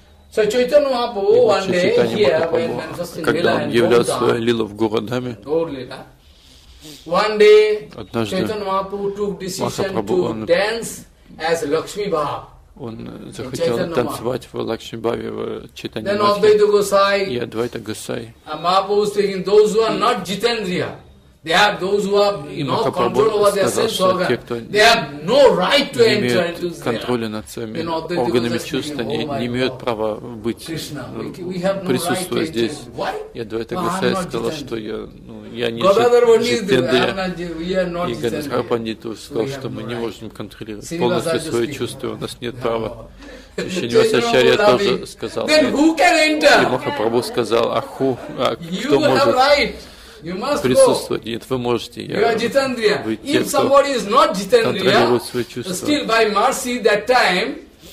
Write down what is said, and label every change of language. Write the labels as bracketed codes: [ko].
[en] So Chaitanya Mahaprabhu one day here when manifesting lila in Gaurdham. [ru] В Гаурадхаме. [en] One day Chaitanya Mahaprabhu took decision to dance as Lakshmi Bhava. [ru] Он захотел танцевать в Лакшми Бхаве, в Чайтанья Махапрабху. И Адвайта Гасай. [en] Mahaprabhu was taking those who are not Jitendriya. They have those who have no control over their sense organs. They have no right to enter into this. [ru] Контроля над своими органами чувств, они не имеют права быть, присутствуя здесь. Адвайта Гасай сказал, что я не Джитендрия. И Ганадхар Пандиту сказал, что мы не можем контролировать полностью свои чувства, у нас нет права. Ишвини Васачарья тоже сказал. И Махапрабху сказал, кто может? Присутствовать. Нет, вы можете. [en] You are Jitendriya. If somebody is not Jitendriya, still by mercy that time,